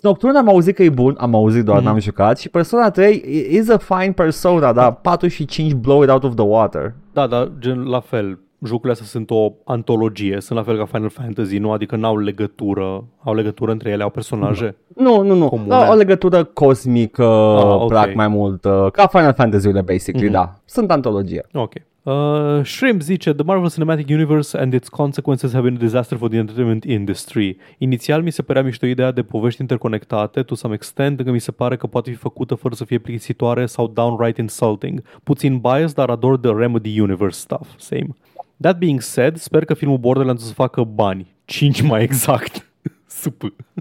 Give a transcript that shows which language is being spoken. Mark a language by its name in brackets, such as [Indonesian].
[Romanian] Nocturne am auzit că e bun, am auzit doar n-am jucat. Și Persona 3 [English] is a fine Persona, [Romanian] dar 4 și 5 [English] blow it out of the water. [Romanian] Da, da, gen la fel. Jocurile astea sunt o antologie, sunt la fel ca Final Fantasy, nu? Adică n-au legătură, au legătură între ele, au personaje. Nu. Comune. O legătură cosmică, plac mai mult, ca Final Fantasy-urile, basically, da. Sunt antologie. Ok. [English] Shrimp [Romanian] zice: [English] the Marvel Cinematic Universe and its consequences have been a disaster for the entertainment industry. [Romanian] Inițial mi se părea mișto ideea de povești interconectate, [English] to some extent, [Romanian] încă mi se pare că poate fi făcută fără să fie plictisitoare sau [English] downright insulting. [Romanian] Puțin biased, dar ador [English] the Remedy Universe stuff. [Romanian] Same. [English] That being said, [Romanian] sper că filmul Borderlands o să facă bani. 5 mai exact. Supă.